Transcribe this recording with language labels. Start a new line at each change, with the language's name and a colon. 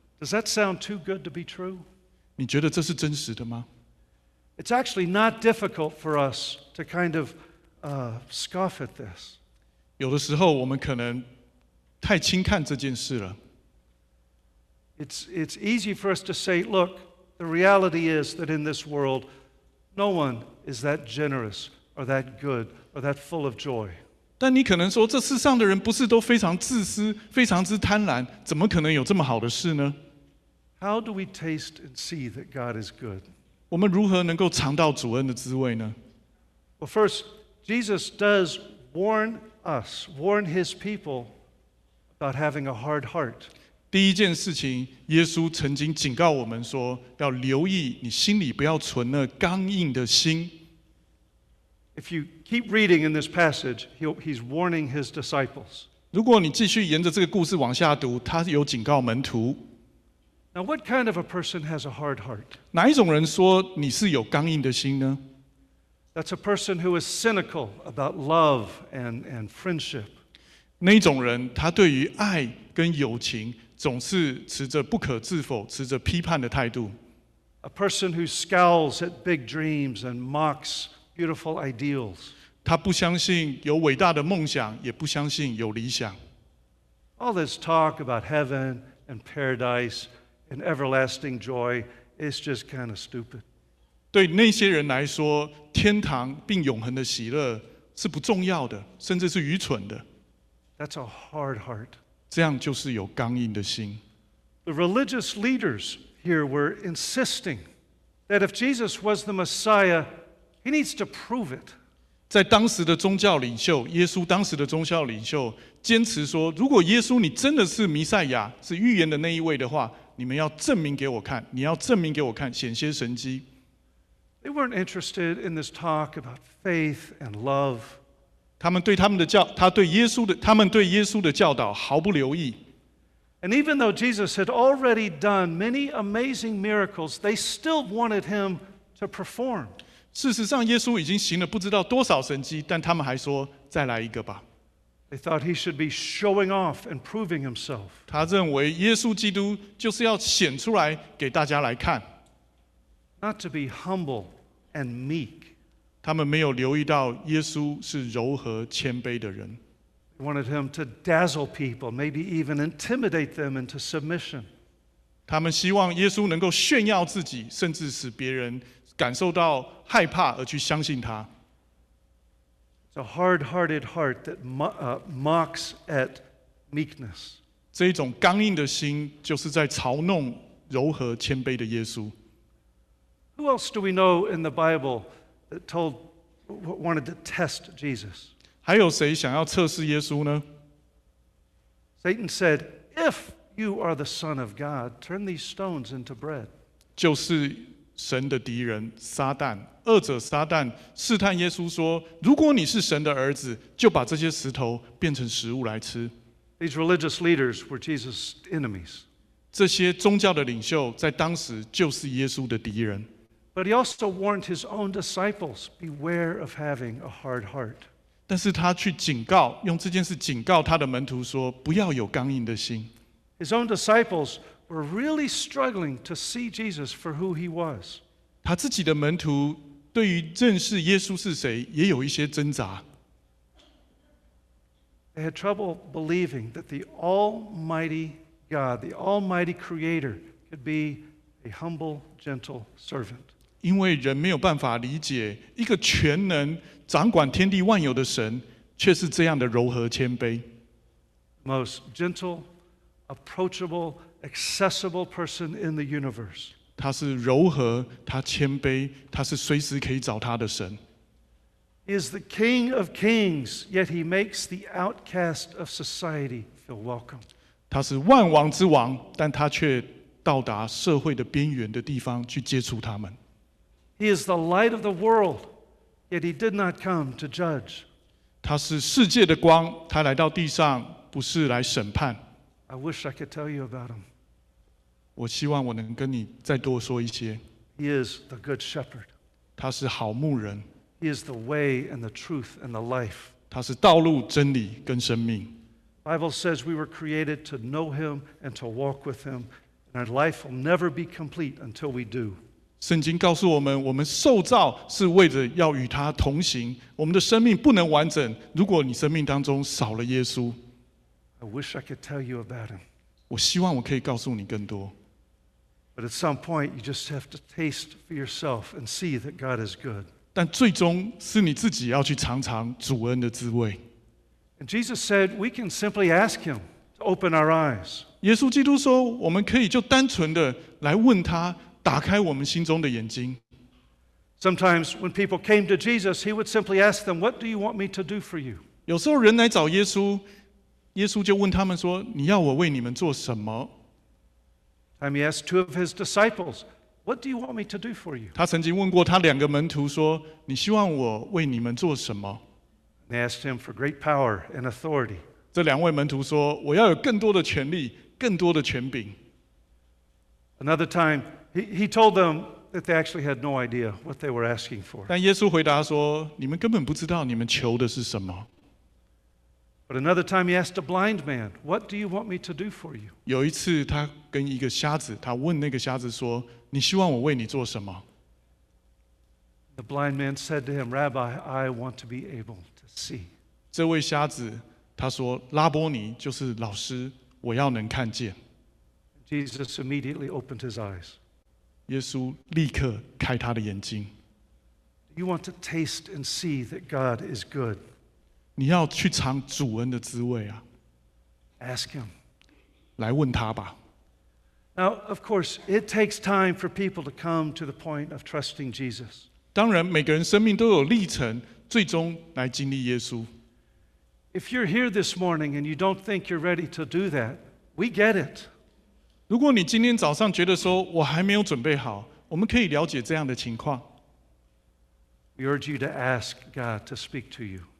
English: Does that sound too good to be true?
Chinese: 你觉得这是真实的吗？
English: It's actually not difficult for us to kind of scoff at this.
Chinese: 有的时候我们可能太轻看这件事了。
English: It's easy for us to say, look, the reality is that in this world, no one is that generous or that good or that full of joy.
Chinese: 但你可能说，这世上的人不是都非常自私、非常之贪婪，怎么可能有这么好的事呢？
English: How do we taste and see that God is good?
Chinese: 我们如何能够尝到主恩的滋味呢？
English: Well, first, Jesus does warn us, warn his people about having a hard heart.
Chinese: 第一件事情，耶稣曾经警告我们说，要留意你心里不要存那刚硬的心。
English: If you keep reading in this passage, he's warning his disciples.
Chinese: 如果你继续沿着这个故事往下读，他有警告门徒。
English: Now, what kind of a person has a hard heart?
Chinese: 哪一种人说你是有刚硬的心呢？
English: That's a person who is cynical about love and friendship.
Chinese: 那一种人，他对于爱跟友情总是持着不可置否、持着批判的态度。
English: A person who scowls at big dreams and mocks. Beautiful ideals.
Chinese: 他不相信有伟大的梦想，也不相信有理想。
English: All this talk about heaven and paradise and everlasting joy is just kind of stupid.
Chinese: 对那些人来说，天堂并永恒的喜乐是不重要的，甚至是愚蠢的。
English: That's a hard heart.
Chinese: 这样就是有刚硬的心。
English: The religious leaders here were insisting that if Jesus was the Messiah. He needs to prove it.
Chinese: 在当时的宗教领袖，耶稣当时的宗教领袖坚持说，如果耶稣你真的是弥赛亚，是预言的那一位的话，你们要证明给我看，你要证明给我看，显些神迹。
English: They weren't interested in this talk about faith and love.
Chinese: 他们对耶稣的教导毫不留意。
English: And even though Jesus had already done many amazing miracles, they still wanted him to perform.
Chinese: 事实上，耶稣已经行了不知道多少神迹，但他们还说再来一个吧。
English: They thought he should be showing off and proving himself.
Chinese: 他认为耶稣基督就是要显出来给大家来看。
English: Not to be humble and meek.
Chinese: 他们没有留意到耶稣是柔和谦卑的人。
English: They wanted him to dazzle people, maybe even intimidate them into submission.
Chinese: 他们希望耶稣能够炫耀自己，甚至使别人感受到害怕而去相信他。
English: It's a hard-hearted heart that mocks at meekness.
Chinese: 这一种刚硬的心就是在嘲弄柔和谦卑的耶稣。
English: Who else do we know in the Bible that wanted to test Jesus?
Chinese: 还有谁想要测试耶稣呢？
English: Satan said, "If you are the Son of God, turn these stones into bread."
Chinese: 就是神的敌人撒旦，恶者撒旦试探耶稣说：“如果你是神的儿子，就把这些石头变成食物来吃。”
English: These religious leaders were Jesus' enemies.
Chinese: 这些宗教的领袖在当时就是耶稣的敌人。
English: But he also warned his own disciples, "Beware of having a hard heart."
Chinese: 但是他去警告，用这件事警告他的门徒说：“不要有刚硬的心。”
English: His own disciples. Were really struggling to see Jesus for who he was.
Chinese: 他自己的门徒对于认识耶稣是谁也有一些挣扎。
English: They had trouble believing that the Almighty God, the Almighty Creator, could be a humble, gentle servant.
Chinese: 因为人没有办法理解一个全能、掌管天地万有的神，却是这样的柔和谦卑。
English: Most gentle, approachable. Accessible person in the universe.
Chinese: 他是柔和，他谦卑，他是随时可以找他的神。
English: He is the King of Kings, yet he makes the outcast of society feel welcome.
Chinese: 他是万王之王，但他却到达社会的边缘的地方去接触他们。
English: He is the light of the world, yet he did not come to judge.
Chinese: 他是世界的光，他来到地上不是来审判。
English: I wish I could tell you about him.
Chinese: 我希望我能跟你再多说一些。
English: He is the good shepherd.
Chinese: 他是好牧人。
English: He is the way and the truth and the life.
Chinese: 他是道路、真理跟生命。
English: The Bible says we were created to know Him and to walk with Him, and our life will never be complete until we do.
Chinese: 圣经告诉我们，我们受造是为着要与他同行。我们的生命不能完整，如果你生命当中少了耶稣。
English: I wish I could tell you about Him.
Chinese: 我希望我可以告诉你更多。
English: But at some point, you just have to taste for yourself and see that God is good.
Chinese: 但最终是你自己要去尝尝主恩的滋味。
English: And Jesus said, we can simply ask Him to open our eyes.
Chinese: 耶稣基督说，我们可以就单纯的来问他，打开我们心中的眼睛。
English: Sometimes when people came to Jesus, He would simply ask them, what do you want me to do for you?
Chinese: 有时候人来找耶稣，耶稣就问他们说，你要我为你们做什么？
English: Time He asked two of His disciples, what do you want me to do for you?
Chinese: 他曾经问过他两个门徒说，你希望我为你们做什么？
English: They asked him for great power and authority.
Chinese: 这两位门徒说，我要有更多的权力，更多的权柄。
English: Another time, he told them that they actually had no idea what they were asking for.
Chinese: 但耶稣回答说，你们根本不知道你们求的是什么。
English: But another time, he asked a blind man, "What do you want me to do for you?"
Chinese: 有一次，他跟一个瞎子，他问那个瞎子说，你希望我为你做什么？
English: The blind man said to him, "Rabbi, I want to be able." See.
Chinese: 这位瞎子他说拉波尼就是老师我要能看见
English: Jesus immediately opened his eyes.
Chinese: 耶稣立刻开他的眼睛
English: You want to taste and see that God is good.
Chinese: 你要去尝主恩的滋味啊
English: Ask him.
Chinese: 来问他吧
English: Now, of course, it takes time for people to come to the point of trusting Jesus.
Chinese: 当然每个人生命都有历程最终来经历耶稣。
English: If you're here this morning and you don't think you're ready to do that, we get it.
Chinese: 如果你今天早上觉得说我还没有准备好，我们可以了解这样的情况。
English: We urge you to ask God to speak to you.